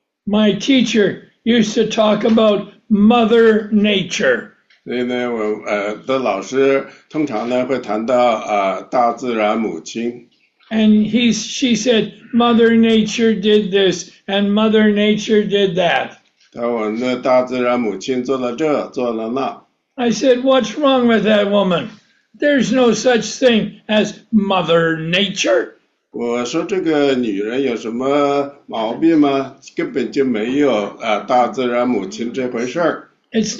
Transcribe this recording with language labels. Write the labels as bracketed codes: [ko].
[en] my teacher used to talk about Mother Nature. [zh] 所以呢，我的老师通常呢会谈到大自然母亲。 [en] And she said, Mother Nature did this, and Mother Nature did that. [zh] 当我那大自然母亲做了这，做了那。 [en] I said, what's wrong with that woman? There's no such thing as Mother Nature. [zh] 我说这个女人有什么毛病吗？根本就没有大自然母亲这回事儿。 [en] It's